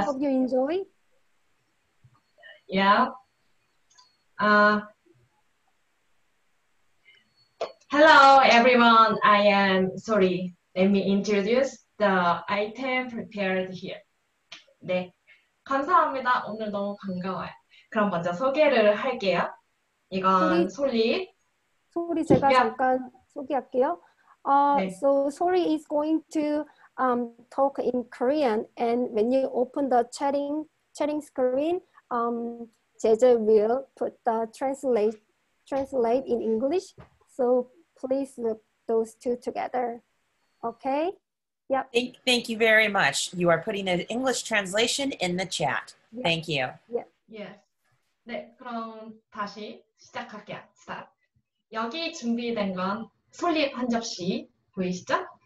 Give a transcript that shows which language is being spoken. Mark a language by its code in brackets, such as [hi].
[en] I hope you enjoy. Yeah. Hello, everyone. I am Sori. Let me introduce the item prepared here. [ko] 네, 감사합니다. 오늘 너무 반가워요. 그럼 먼저 소개를 할게요. 이건 솔리. 솔리, 제가 잠깐 소개할게요. [en] So Sori is going to talk in Korean, and when you open the chatting screen, Jeje will put the translate in English. So please look those two together. Okay. Yep. Thank you very much. You are putting an English translation in the chat. Yep. Thank you. Yep. Yes. [ko] 네, 그럼 다시 시작할게요. [en] Start. [ko] 여기 준비된 건 솔잎 한 접시 보이시죠?